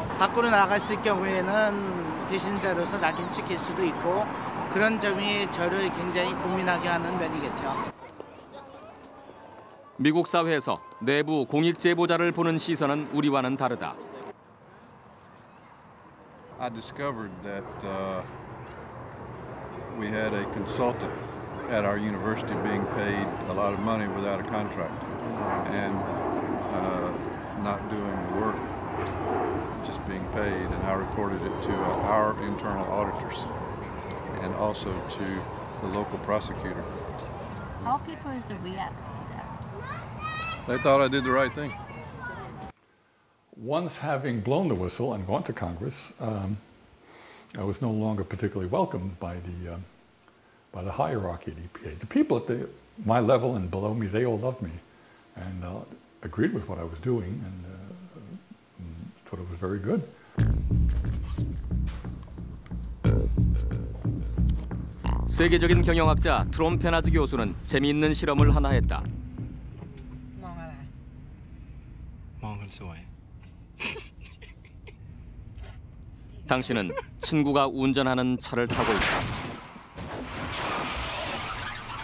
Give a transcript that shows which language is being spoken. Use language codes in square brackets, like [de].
[ko] 밖으로 나갔을 경우에는 배신자로서 낙인찍힐 수도 있고 그런 점이 저를 굉장히 고민하게 하는 면이겠죠. 미국 사회에서 내부 공익 제보자를 보는 시선은 우리와는 다르다. [en] I discovered that we had a consultant at our university being paid a lot of money without a contract and not doing the work, just being paid, and I reported it to our internal auditors and also to the local prosecutor. How people is react to that? They thought I did the right thing. Once having blown the whistle and gone to Congress, I was no longer particularly welcomed by the hierarchy at EPA. The people at my level and below me, they all loved me and agreed with what I was doing and thought it was very good. [ko] 세계적인 경영학자 트롬 페나즈 교수는 재미있는 실험을 하나 했다. 멍하네. 멍을 좋아해. 당신은 친구가 운전하는 차를 타고 있다.